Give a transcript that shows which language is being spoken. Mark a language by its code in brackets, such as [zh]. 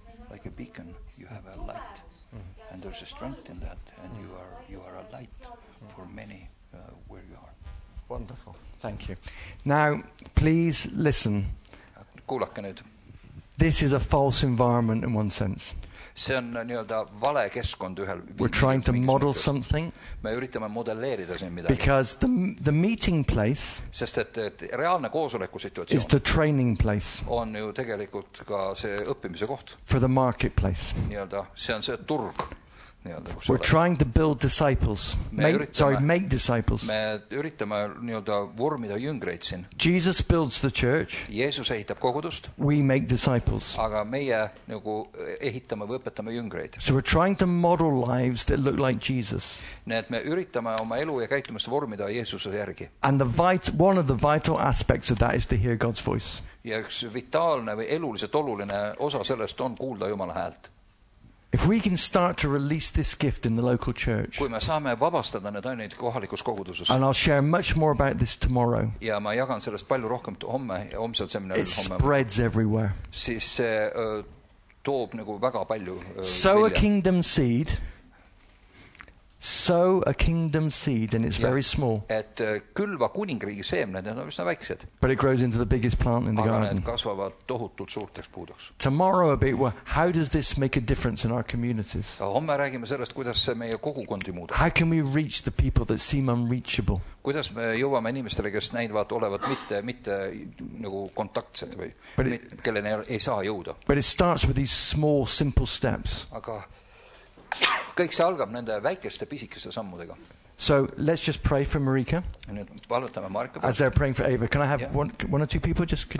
[en] Like a beacon, you have a light, mm-hmm. and there's a strength in that, and you are a light mm-hmm. for many where you are. Wonderful. Thank you. Now, please listen. [et] Kuulake nüüd. [en] This is a false environment in one sense. [et] See on nii-öelda vale keskkond ühel. [en] We're trying to model something. [et] Me üritame modelleerida siin midagi. [en] Because the meeting place. [et] Sest et reaalne koosoleku situatsioon. [en] Is the training place. [et] On ju tegelikult ka see õppimise koht. [en] For the marketplace. [et] Nii-öelda see on see turg. [en] We're trying to build disciples. Make disciples. [et] Me üritame nii-öelda vormida jüngreid siin. [en] Jesus builds the church. [et] Jeesus ehitab kogudust. [en] We make disciples. [et] Aga meie nagu ehitame või õpetame jüngreid. [en] So we're trying to model lives that look like Jesus. [et] Nii, et me üritame oma elu ja käitumist vormida Jeesuse järgi. [en] And one of the vital aspects of that is to hear God's voice. [et] Ja üks vitaalne või eluliselt oluline osa sellest on kuulda Jumala häält. [en] If we can start to release this gift in the local church, [et] kui me saame vabastada need ainult kohalikus koguduses, [en] and I'll share much more about this tomorrow, [et] ja ma jagan sellest palju rohkem homme, homsel seminaril homme, [en] it spreads everywhere. [et] Siis see toob nagu väga palju [en] sow a kingdom seed, sow a kingdom seed, and it's very small. [et] Et külva kuningriigi seemned, need on üsna väiksed. [en] But it grows into the biggest plant in the garden. [et] Aga need kasvavad tohutult suurteks puudeks. [en] Tomorrow a bit, how does this make a difference in our communities? [et] Homme räägime sellest, kuidas see meie kogukondi muudab. [en] How can we reach the people that seem unreachable? [et] Kuidas me jõuame inimestele, kes näidvad olevat mitte nagu kontaktsed või kellene ei saa jõuda. [en] But it starts with these small, simple steps. [et] Aga kõik see algab nende väikeste pisikeste sammudega. [en] So let's just pray for Marika. [et] Nüüd palutame Marika. [en] As they're praying for Ava, can I have one or two people just could